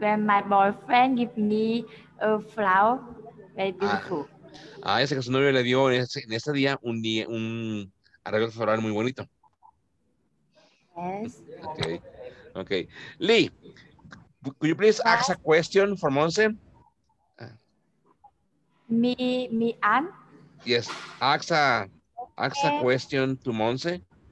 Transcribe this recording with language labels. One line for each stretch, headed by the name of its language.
English: When my boyfriend gave me a flower, very beautiful.
Spanish: Ah, ese que su novio le dio en ese día un arreglo floral muy bonito.
English: Yes. Okay. Lee, could you please ask a question for Monse? Me aunt? Yes, ask a question to Monse.